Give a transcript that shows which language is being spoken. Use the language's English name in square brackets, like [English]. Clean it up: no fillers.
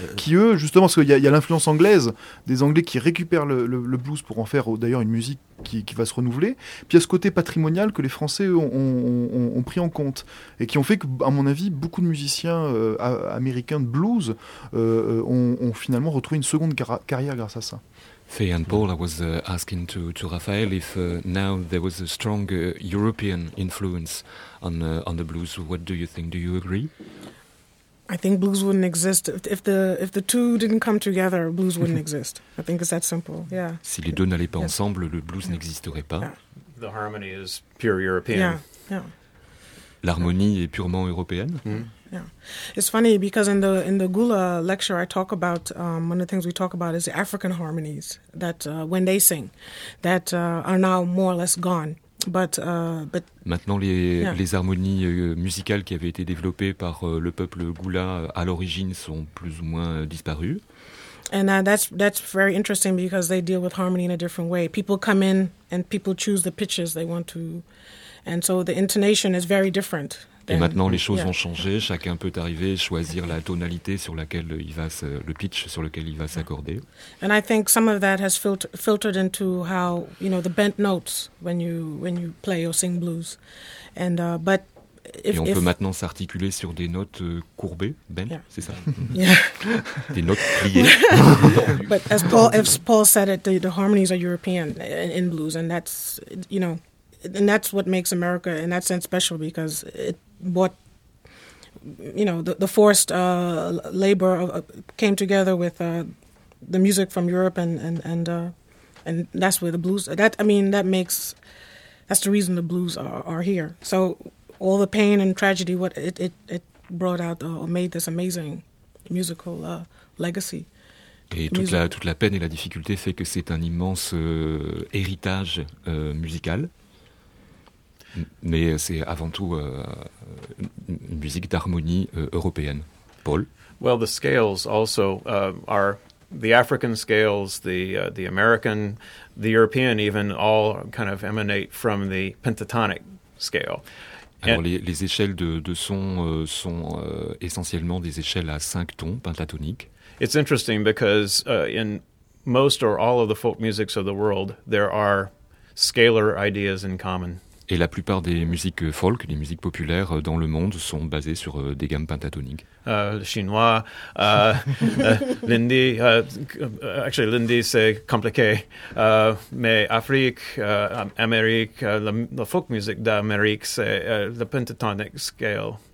[French] qui eux, justement, parce qu'il y a l'influence anglaise, des Anglais qui récupèrent le blues pour en faire d'ailleurs une musique qui va se renouveler, puis il y a ce côté patrimonial que les Français ont pris en compte, et qui ont fait que, à mon avis, beaucoup de musiciens américains de blues ont finalement retrouvé une seconde carrière grâce à ça. [English] Fay and Paul, I was asking to Raphaël if now there was a strong European influence on the blues. What do you think? Do you agree? I think blues wouldn't exist if the two didn't come together. Blues wouldn't exist. I think it's that simple. Yeah. [French] Si les deux n'allaient pas ensemble, le blues n'existerait pas. [English] Yeah. The harmony is pure European. Yeah. Yeah. [French] L'harmonie est purement européenne. [English] Yeah, it's funny because in the Gula lecture, I talk about one of the things we talk about is the African harmonies that when they sing, that are now more or less gone. But [French] maintenant les harmonies musicales qui avaient été développées par le peuple Gula à l'origine sont plus ou moins disparues. [English] And that's very interesting because they deal with harmony in a different way. People come in and people choose the pitches they want to, and so the intonation is very different. [French] Et maintenant, les choses ont changé. Chacun peut arriver et choisir la tonalité sur laquelle il va le pitch sur lequel il va s'accorder. [English] And I think some of that has filtered into how, you know, the bent notes when you play or sing blues. And but if, [French] et on [English] if, [French] peut maintenant s'articuler sur des notes courbées, bent, c'est ça. [English] Yeah. [French] Des notes pliées. [English] But as Paul, if Paul said it, the harmonies are European in blues, and that's, you know. And that's what makes America, in that sense, special, because it brought, you know, the forced labor came together with the music from Europe, and that's where the blues. That, I mean, that makes, that's the reason the blues are here. So all the pain and tragedy, what it brought out, made this amazing musical legacy. [French] Et toute la peine et la difficulté fait que c'est un immense héritage musical. Mais c'est avant tout une musique d'harmonie européenne. [English] Paul? Well, the scales also are the African scales, the American, the European, even all kind of emanate from the pentatonic scale. [French] Alors les échelles de son sont essentiellement des échelles à 5 tons pentatoniques. [English] It's interesting because in most or all of the folk musics of the world, there are scalar ideas in common. [French] Et la plupart des musiques folk, des musiques populaires dans le monde, sont basées sur des gammes pentatoniques. Le chinois, l'hindi, [English] actually [French] l'hindi c'est compliqué, mais Afrique, Amérique, la folk music d'Amérique, c'est le pentatonic scale.